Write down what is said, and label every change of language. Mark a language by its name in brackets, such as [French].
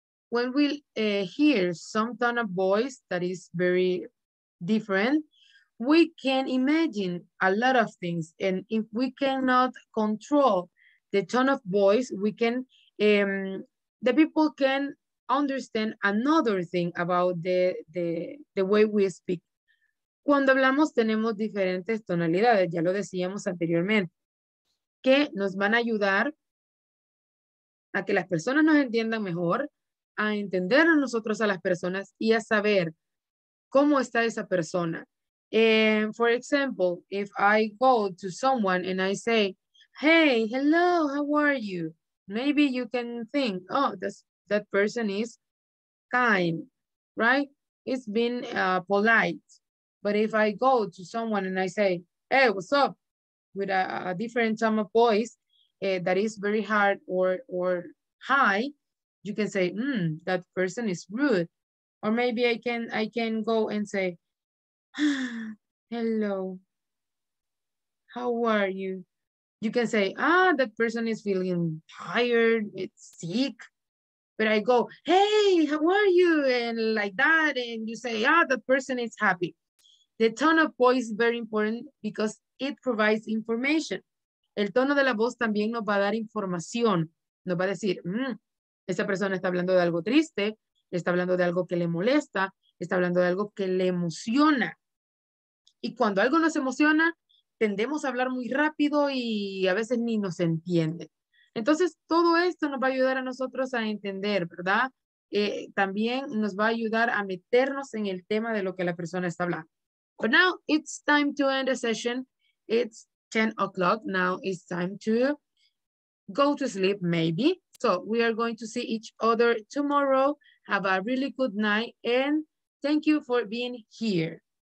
[English] When we hear some tone of voice that is very different, we can imagine a lot of things. And if we cannot control the tone of voice, we can, the people can understand another thing about the way we speak. [Spanish] Cuando hablamos, tenemos diferentes tonalidades, ya lo decíamos anteriormente, que nos van a ayudar a que las personas nos entiendan mejor, a entender a nosotros a las personas y a saber cómo está esa persona. [English] For example, if I go to someone and I say, hey, hello, how are you? Maybe you can think, oh, that person is kind, right? It's been polite. But if I go to someone and I say, hey, what's up? With a different tone of voice that is very hard or high, you can say, that person is rude. Or maybe I can go and say, hello, how are you? You can say, that person is feeling tired, it's sick. But I go, hey, how are you? And like that, and you say, that person is happy. The tone of voice is very important because it provides information. [Spanish] El tono de la voz también nos va a dar información. Nos va a decir, esa persona está hablando de algo triste, está hablando de algo que le molesta, está hablando de algo que le emociona. Y cuando algo nos emociona, tendemos a hablar muy rápido y a veces ni nos entiende. Entonces, todo esto nos va a ayudar a nosotros a entender, ¿verdad? También nos va a ayudar a meternos en el tema de lo que la persona está hablando. [English] But now, it's time to end the session. It's 10 o'clock. Now it's time to go to sleep, maybe. So we are going to see each other tomorrow. Have a really good night and thank you for being here.